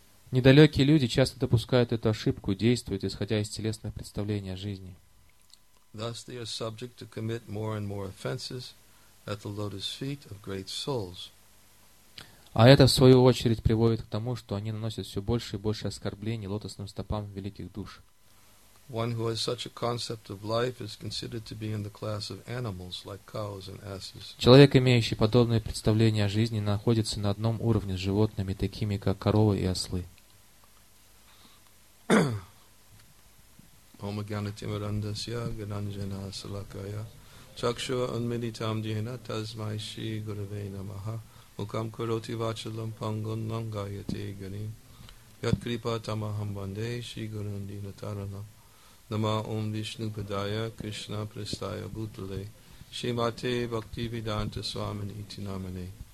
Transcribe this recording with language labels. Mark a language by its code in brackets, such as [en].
[ru] Недалекие люди часто допускают эту ошибку и действуют, исходя из телесных представлений о жизни. [en] Thus they are subject to commit more and more offenses at the lotus feet of great souls. [ru] А это, в свою очередь, приводит к тому, что они наносят все больше и больше оскорблений лотосным стопам великих душ. [en] One who has such a concept of life is considered to be in the class of animals, like cows and asses. [ru] Человек, имеющий подобное представление о жизни, находится на одном уровне с животными, такими как коровы и ослы. [sa] Ом Аганатимарандасья Гананджана Салакая Чакшва Унмилитам Джина Тасмай Шри Гураве Намаха Мукам Кароти Вачалам Пангун Нангаяте Ганим Яткрипа Тамахам Банде Шри Гуранди Натаранам Нама Ом Вишну Падая Кришна Престая Бутале Шримате Бхакти Виданта Свамини Итинамане